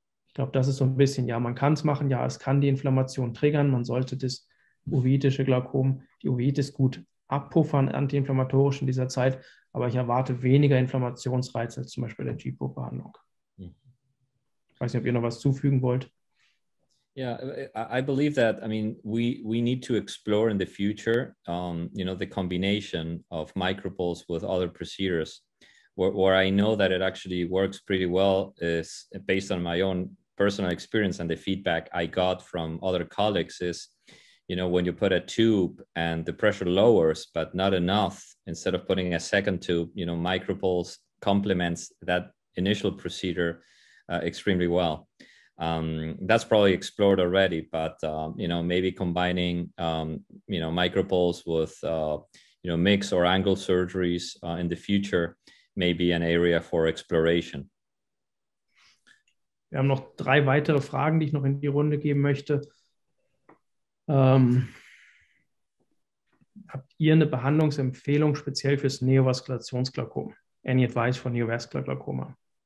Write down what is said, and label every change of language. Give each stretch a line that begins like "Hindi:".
German: Ich glaube, das ist so ein bisschen, ja, man kann es machen, ja, es kann die Inflammation triggern, man sollte das uveitische Glaukom, die Uveitis gut abpuffern, antiinflammatorisch in dieser Zeit, aber ich erwarte weniger Inflammationsreiz als zum Beispiel der G-Probe-Behandlung. Ich weiß nicht, ob ihr noch was zufügen wollt.
English: Yeah, I believe that, I mean, we need to explore in the future, you know, the combination of micropulse with other procedures. Where I know that it actually works pretty well is based on my own personal experience and the feedback I got from other colleagues is, you know, when you put a tube and the pressure lowers, but not enough, instead of putting a second tube, you know, micropulse complements that initial procedure extremely well. That's probably explored already, but, you know, maybe combining, you know, micropulse with, you know, mix or angle surgeries in the future may be an area for exploration.
German: Wir haben noch drei weitere Fragen, die ich noch in die Runde geben möchte. Habt ihr eine Behandlungsempfehlung speziell fürs Neovaskulationsglaukom?
English: Any advice for neovascular glaucoma?